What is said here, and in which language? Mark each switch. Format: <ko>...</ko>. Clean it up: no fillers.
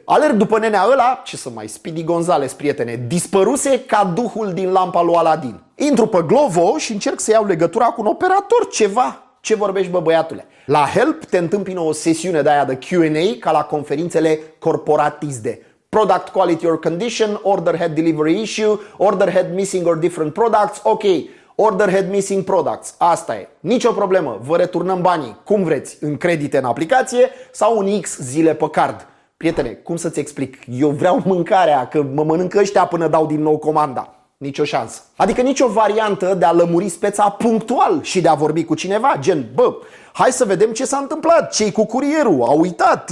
<ro>Alerg după nenea ăla, ce să mai, Speedy Gonzales, prietene, dispăruse ca duhul din lampa lui Aladdin. Intru pe Glovo și încerc să iau legătura cu un operator, ceva. Ce vorbești, bă, băiatule? La Help te întâmpină o sesiune de aia de Q&A ca la conferințele corporatiste.</ro> <en>Product quality or condition, order head delivery issue, order head missing or different products, ok, Order had missing products.</en> <ro>Asta e. Nicio problemă. Vă returnăm banii. Cum vreți. În credite, în aplicație sau un X zile pe card. Prietene, cum să-ți explic? Eu vreau mâncarea, că mă mănânc ăștia până dau din nou comanda. Nicio șansă. Adică nicio variantă de a lămuri speța punctual și de a vorbi cu cineva. Gen, bă, hai să vedem ce s-a întâmplat. Ce-i cu curierul? A uitat?</ro>